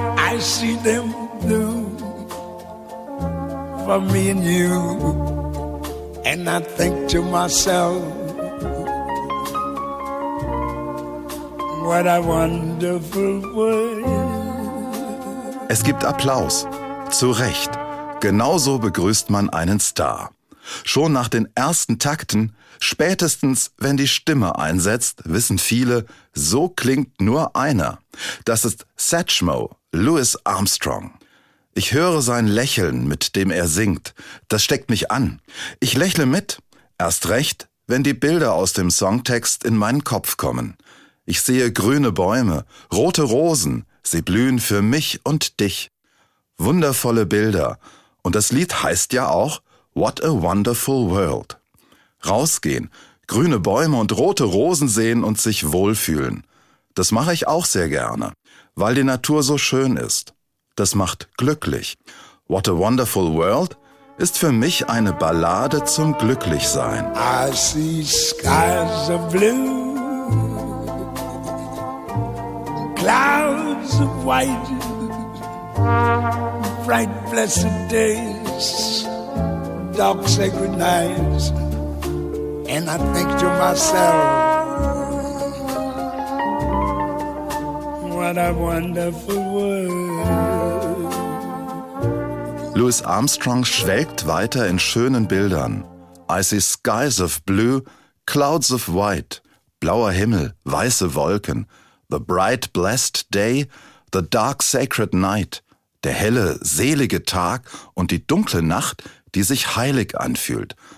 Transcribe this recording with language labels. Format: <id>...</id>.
<en>I see them blue for me and you, and I think to myself, what a wonderful world.</en> <de>Es gibt Applaus. Zu Recht. Genauso begrüßt man einen Star. Schon nach den ersten Takten, spätestens wenn die Stimme einsetzt, wissen viele, so klingt nur einer. Das ist Satchmo, Louis Armstrong. Ich höre sein Lächeln, mit dem er singt. Das steckt mich an. Ich lächle mit, erst recht, wenn die Bilder aus dem Songtext in meinen Kopf kommen. Ich sehe grüne Bäume, rote Rosen, sie blühen für mich und dich. Wundervolle Bilder. Und das Lied heißt ja auch What a Wonderful World. Rausgehen, grüne Bäume und rote Rosen sehen und sich wohlfühlen. Das mache ich auch sehr gerne, weil die Natur so schön ist. Das macht glücklich. What a Wonderful World ist für mich eine Ballade zum Glücklichsein.</de> <en>I see skies of blue, clouds of white, bright blessed days, dark sacred nights, and I think to myself, what a wonderful world.</en> <de>Louis Armstrong schwelgt weiter in schönen Bildern.</de> <en>I see skies of blue, clouds of white,</en> <de>blauer Himmel, weiße Wolken,</de> <en>the bright blessed day, the dark sacred night,</en> <de>der helle, selige Tag und die dunkle Nacht, die sich heilig anfühlt.</de>